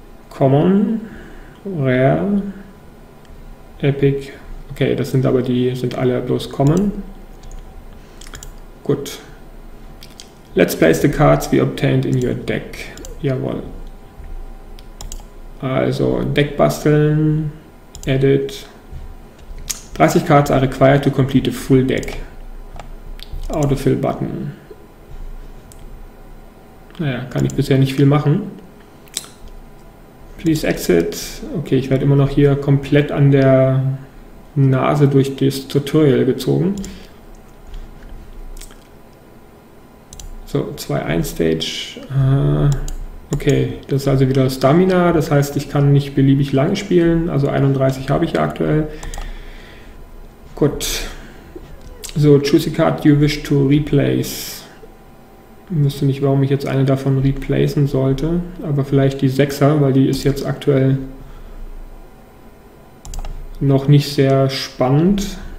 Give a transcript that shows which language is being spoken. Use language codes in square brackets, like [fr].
[de] Common, Rare, Epic, okay, das sind aber die, sind alle bloß Common. Gut. [en] Let's place the cards we obtained in your deck. [de] Jawohl. Also Deck basteln, edit. [en] 30 cards are required to complete a full deck. Autofill button. [de] Naja, kann ich bisher nicht viel machen. [en] Please exit. [de] Okay, ich werde immer noch hier komplett an der Nase durch das Tutorial gezogen. So, 2-1 Stage. Okay, das ist also wieder Stamina. Das heißt, ich kann nicht beliebig lange spielen. Also 31 habe ich ja aktuell. Gut. [en] So, choose a card you wish to replace. [de] Ich wüsste nicht, warum ich jetzt eine davon replacen sollte. Aber vielleicht die 6er, weil die ist jetzt aktuell noch nicht sehr spannend.